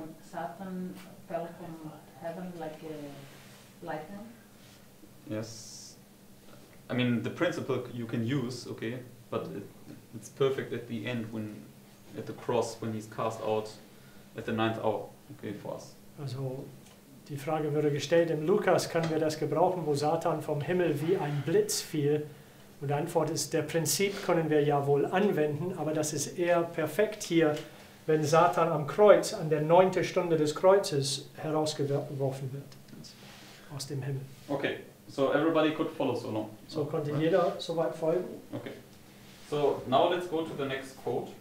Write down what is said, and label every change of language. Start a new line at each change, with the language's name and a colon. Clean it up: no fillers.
English: Satan fell from heaven like a lightning? Yes. I mean, the principle you can use, okay, but it's perfect at the end, when at the cross, when he's cast out at the ninth hour, okay, for us.
German: Also, die Frage wurde gestellt, im Lukas können wir das gebrauchen, wo Satan vom Himmel wie ein Blitz fiel? Und die Antwort ist, der Prinzip können wir ja wohl anwenden, aber das ist eher perfekt hier, wenn Satan am Kreuz, an der neunte Stunde des Kreuzes, herausgeworfen wird aus dem Himmel.
English: Okay, so everybody could follow so long.
German: So konnte jeder soweit folgen.
English: Okay, so now let's go to the next quote.